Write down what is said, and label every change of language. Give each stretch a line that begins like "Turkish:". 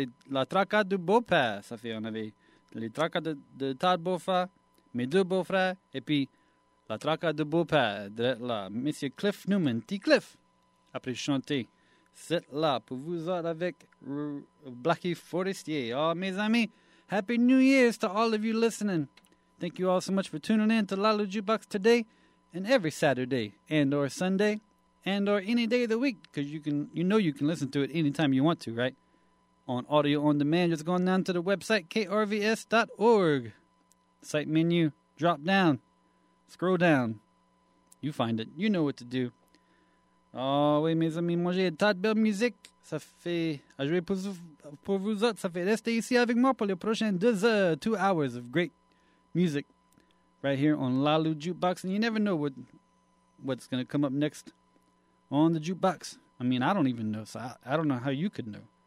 French: La traca du beau-père, ça fait, on avait les tracas de Todd Bofa, mes deux beaux-frères, et puis la traca du beau-père, là, Monsieur Cliff Newman, T. Cliff, après chanter, c'est là, pour vous autres avec Blackie Forestier. Oh, mes amis,
English: Happy New Year's to all of you listening. Thank you all so much for tuning in to Lalo Jukebox today, and every Saturday, and or Sunday, and or any day of the week, because you can listen to it anytime you want to, right? On audio on demand, just going down to the website, krvs.org. Site menu, drop down, scroll down. You find it. You know what to do.
French: Oh, oui, mes amis, moi j'ai Todd Bell Music. Ça fait, à jouer pour vous autres. Ça fait rester ici avec moi pour les prochaines
English: 2 hours of great music. Right here on Lalo Jukebox. And you never know what's going to come up next on the jukebox. I mean, I don't even know. So I don't know how you could know.